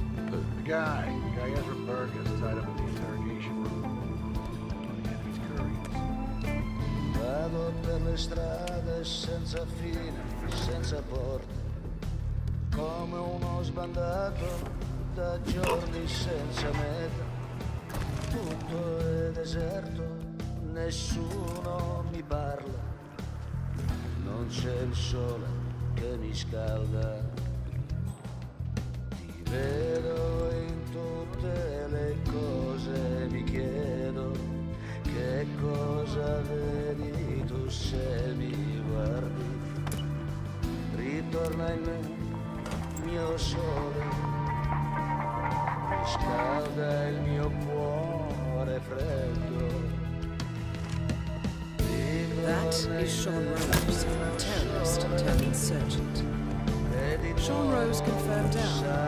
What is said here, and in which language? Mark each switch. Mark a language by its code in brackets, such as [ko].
[en] The guy Ezra Berg is tied up in the interrogation room. And he's curious. [it] Vado per le strade senza fine, senza porte, come uno sbandato da giorni senza meta. Tutto è deserto, nessuno mi parla, non c'è il sole che mi scalda. Ti vedo in tutte le cose, mi chiedo che cosa vedi tu se mi guardi. Ritorna in me, mio sole, scalda il mio cuore freddo. [en] That is Sean Rose, terrorist turned insurgent. Sean Rose confirmed down.